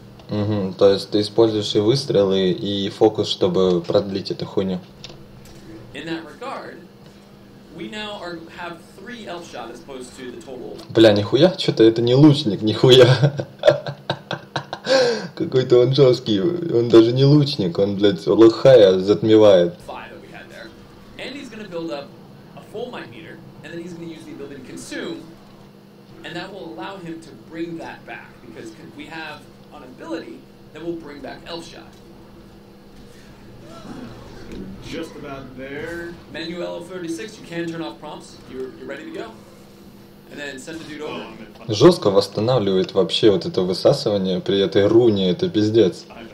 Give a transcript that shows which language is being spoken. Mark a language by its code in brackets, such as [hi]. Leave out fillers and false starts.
[ru] Угу, то есть ты используешь и выстрелы, и фокус, чтобы продлить эту хуйню. [en] In that regard, we now have three elf shot as opposed to the total. [ru] Бля, нихуя, что-то это не лучник, нихуя. Какой-то он жесткий, он даже не лучник, он, блядь, лохая затмевает. [en] Five that we had there. Andy's gonna build up a full might meter, and then he's gonna use the ability to consume, and that will allow him to bring that back, because we have an ability that will bring back Elf Shot. Just about there. Menu LL36, you can turn off prompts. You're ready to go. And then send the dude over. [ru] Жестко восстанавливает вообще вот это высасывание при этой руне, это пиздец.